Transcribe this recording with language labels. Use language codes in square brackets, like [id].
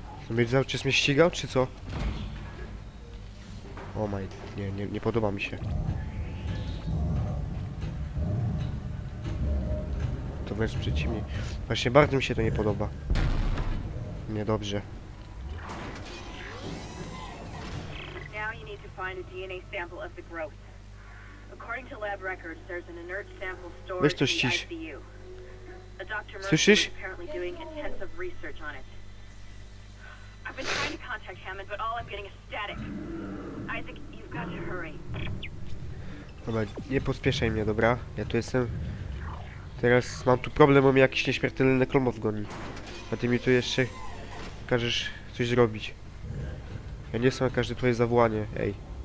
[pl] No mnie cały czas mnie ścigał, czy co? O my, nie podoba mi się. To wręcz przeciwnie. Właśnie bardzo mi się to nie podoba. Niedobrze. [en] Now you need to find a DNA sample of the growth. According to lab records, there's an inert sample stored in the ICU. A doctor Murphy is apparently doing intensive research on it. I've been trying to contact Hammond, but all I'm getting is static. Isaac, you've got to hurry. [pl] Dobra, nie pospieszaj mnie, dobra? Ja tu jestem. Teraz mam tu problem, bo mi jakiś nieśmiertelny neklomow goni. A ty mi tu jeszcze każesz coś zrobić. Ja nie jestem na każde twoje zawołanie, ej.